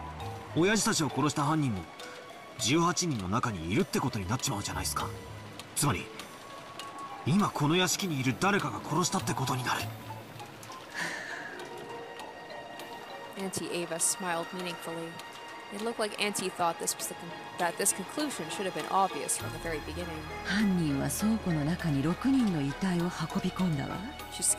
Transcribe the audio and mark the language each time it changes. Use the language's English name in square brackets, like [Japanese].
[Japanese] 19人目がいないなら、親父たちを殺した犯人も 18人の中にいるってことになっちまうじゃないですか。つまり、今この屋敷にいる誰かが殺したってことになる。 [English] Auntie Ava smiled meaningfully. It looked like Auntie thought this was that this conclusion should have been obvious from the very beginning. [Japanese] 犯人は倉庫の中に6人の遺体を運び込んだわ。 [English] She's